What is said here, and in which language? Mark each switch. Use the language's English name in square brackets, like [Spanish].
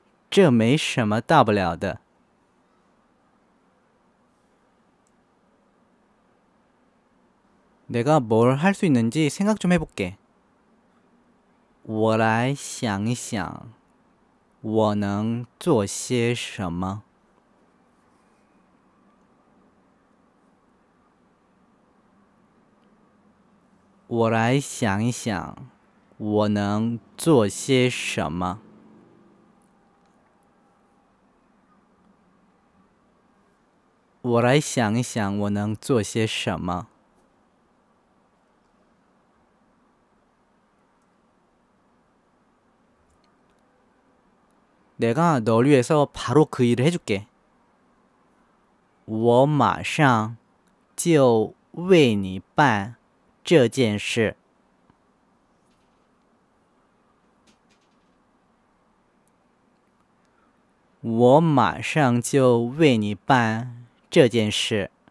[Chinese] 这没什么大不了的。 [Korean] 내가 뭘할수 있는지 생각 좀 해볼게. [Chinese] 我来想一想，我能做些什么？我来想一想，我能做些什么？我来想一想，我能做些什么？ [Korean] 내가 널 위해서 바로 그 일을 해줄게. [Chinese] 我马上就为你办这件事。我马上就为你办这件事。